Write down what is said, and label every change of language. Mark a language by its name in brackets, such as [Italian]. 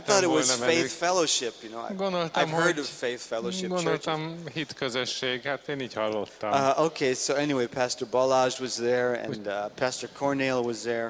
[English] I thought it was Faith Fellowship, you know. I've heard of Faith Fellowship. [Hungarian] Gondoltam hit közösség, hát én így hallottam. [English] Okay, so anyway, Pastor Balázs was there and Pastor Cornél was there.